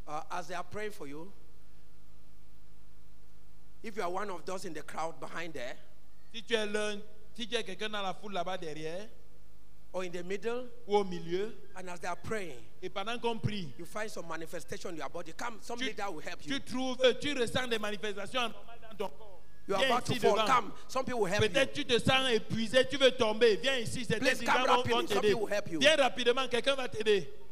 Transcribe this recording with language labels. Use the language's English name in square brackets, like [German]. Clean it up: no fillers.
[English] As they are praying for you, if you are one of those in the crowd behind there, [French] si tu es quelqu'un dans la foule là-bas derrière, [English] or in the middle, [French] ou au milieu, [English] and as they are praying, [French] et pendant qu'on prie, [English] you find some manifestation in your body. Come, some leader will help you. [French] Tu ressens des manifestations anormales dans ton corps. [English] You are about to fall. [French] Devant. [English] Come. Some people will help [French] peut-être [English] you. [French] Peut-être tu te sens épuisé, tu veux tomber. Viens ici, c'est [English] please come rapidly. Some people will help you. [French] Viens rapidement, quelqu'un va t'aider.